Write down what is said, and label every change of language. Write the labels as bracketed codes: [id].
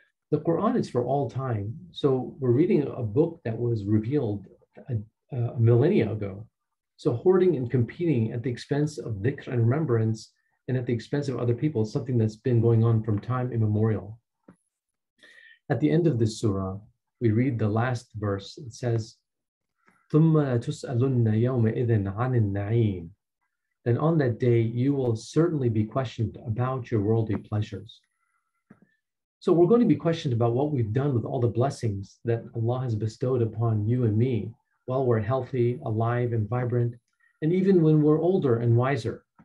[en] The Quran is for all time. So we're reading a book that was revealed a millennia ago. So hoarding and competing at the expense of dhikr and remembrance and at the expense of other people is something that's been going on from time immemorial. At the end of this surah, we read the last verse. [ar] It says, ثُمَّ تُسْأَلُنَّ يَوْمَئِذٍ عَنِ النَّعِيمِ. [en] Then on that day, you will certainly be questioned about your worldly pleasures. So we're going to be questioned about what we've done with all the blessings that Allah has bestowed upon you and me while we're healthy, alive, and vibrant, and even when we're older and wiser.